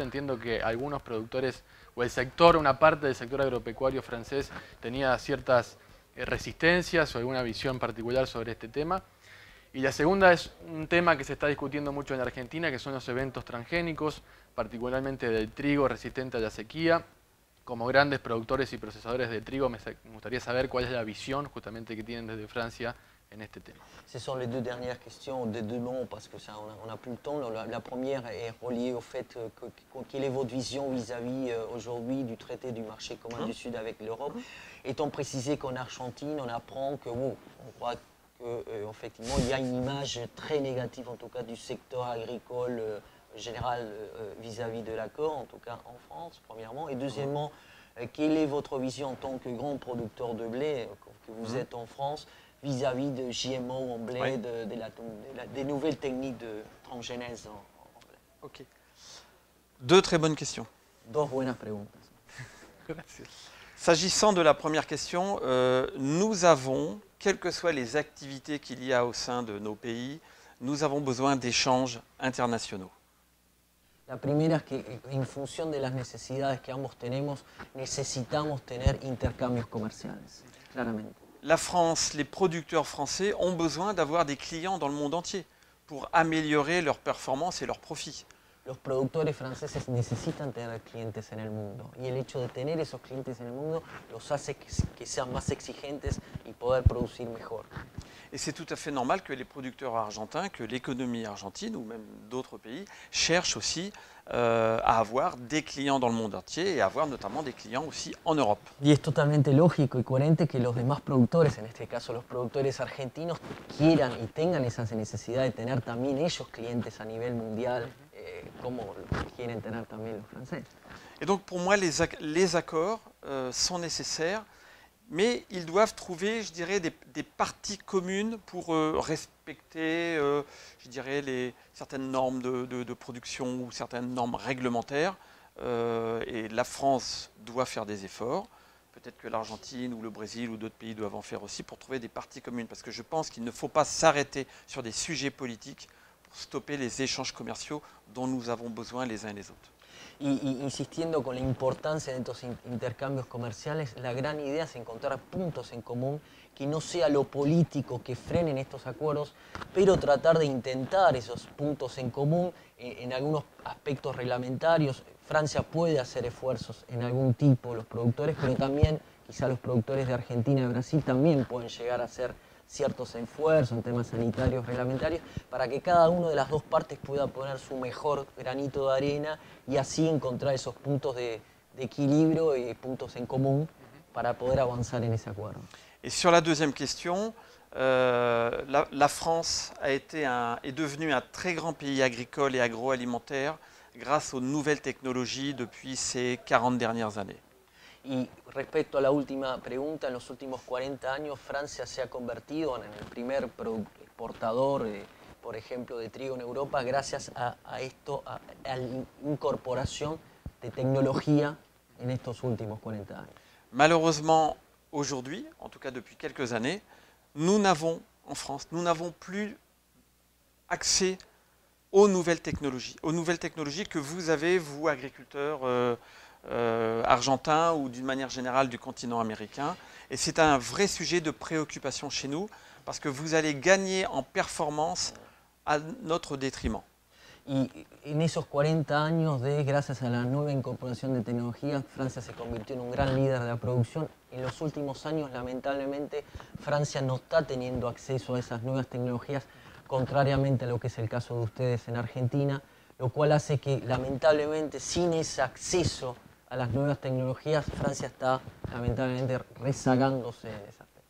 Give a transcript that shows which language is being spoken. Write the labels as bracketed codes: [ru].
[es] Entiendo que algunos productores o el sector, una parte del sector agropecuario francés, tenía ciertas resistencias o alguna visión particular sobre este tema. Y la segunda es un tema que se está discutiendo mucho en Argentina, que son los eventos transgénicos, particularmente del trigo resistente a la sequía. Como grandes productores y procesadores de trigo, me gustaría saber cuál es la visión justamente que tienen desde Francia en este tema. [fr] Ce sont les deux dernières questions, de deux mots, parce que ça, on a plus le temps. La première est reliée au fait quelle est votre vision vis-à-vis aujourd'hui du traité du marché commun du Sud avec l'Europe. Étant précisé qu'en Argentine, on apprend que on croit que effectivement il y a une image très négative, en tout cas, du secteur agricole. Général vis-à-vis de l'accord, en tout cas en France, premièrement. Et deuxièmement, quelle est votre vision en tant que grand producteur de blé que vous êtes en France vis-à-vis de GMO en blé, des nouvelles techniques de transgénèse en blé? Ok. Deux très bonnes questions. [es] Dos buenas preguntas. [fr] S'agissant de la première question, nous avons, quelles que soient les activités qu'il y a au sein de nos pays, nous avons besoin d'échanges internationaux. [es] La primera es que en función de las necesidades que ambos tenemos, necesitamos tener intercambios comerciales, claramente. [fr] La France, les producteurs français ont besoin d'avoir des clients dans le monde entier pour améliorer leur performance et leur profit. [es] Los productores franceses necesitan tener clientes en el mundo y el hecho de tener esos clientes en el mundo los hace que sean más exigentes y poder producir mejor. [fr] Et c'est tout à fait normal que les producteurs argentins, que l'économie argentine ou même d'autres pays cherchent aussi à avoir des clients dans le monde entier et à avoir notamment des clients aussi en Europe. [es] Y es totalmente lógico y coherente que los demás productores, en este caso los productores argentinos, quieran y tengan esa necesidad de tener también ellos clientes a nivel mundial, como quieren tener también los franceses. [fr] Et donc pour moi les accords sont nécessaires. Mais ils doivent trouver, je dirais, des parties communes pour respecter, je dirais, certaines normes de production ou certaines normes réglementaires. Et la France doit faire des efforts. Peut-être que l'Argentine ou le Brésil ou d'autres pays doivent en faire aussi pour trouver des parties communes. Parce que je pense qu'il ne faut pas s'arrêter sur des sujets politiques pour stopper les échanges commerciaux dont nous avons besoin les uns et les autres. [es] Y insistiendo con la importancia de estos intercambios comerciales, la gran idea es encontrar puntos en común que no sea lo político que frenen estos acuerdos, pero tratar de intentar esos puntos en común en algunos aspectos reglamentarios. Francia puede hacer esfuerzos en algún tipo, los productores, pero también quizá los productores de Argentina y Brasil también pueden llegar a hacer ciertos esfuerzos en temas sanitarios, reglamentarios, para que cada una de las dos partes pueda poner su mejor granito de arena y así encontrar esos puntos de equilibrio y puntos en común para poder avanzar en ese acuerdo. Y sobre la segunda cuestión, [fr] la France est devenue un très grand pays agricole et agroalimentaire grâce aux nouvelles technologies depuis ces 40 dernières années. [es] Y respecto a la última pregunta, en los últimos 40 años Francia se ha convertido en el primer exportador, por ejemplo, de trigo en Europa gracias a la incorporación de tecnología en estos últimos 40 años. [fr] Malheureusement, aujourd'hui, en tout cas depuis quelques années, nous n'avons en France, nous n'avons plus accès aux nouvelles technologies que vous avez, vous, agriculteurs argentins ou d'une manière générale du continent américain. Et c'est un vrai sujet de préoccupation chez nous parce que vous allez gagner en performance à notre détriment. Et [es] en esos 40 años, [fr] grâce à la nouvelle incorporation de technologies, France s'est convertie en un grand leader de la production. [es] En los últimos años, lamentablemente, Francia no está teniendo acceso a esas nuevas tecnologías, contrariamente a lo que es el caso de ustedes en Argentina, lo cual hace que, lamentablemente, sin ese acceso a las nuevas tecnologías, Francia está, lamentablemente, rezagándose en esa parte.